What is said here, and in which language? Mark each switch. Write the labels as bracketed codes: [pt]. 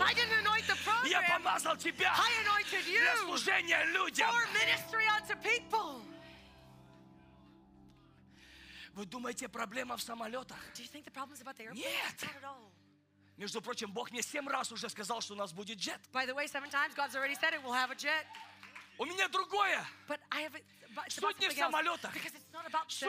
[en] I didn't anoint the program. [ru] Я помазал тебя. [en] I anointed you. [ru] Для служения людям. [en] For ministry unto people. [ru] Вы думаете, проблема в самолетах? [en] Do you think the problem is about the airplane? [ru] Нет. [en] Not at all. [ru] Между прочим, Бог мне 7 раз уже сказал, что у нас будет jet. [en] By the way, 7 times God's already said it, we'll have a jet. [ru] У меня другое. [en] But I have a, [ru] суть не в самолетах. [en] Because it's not about the jet.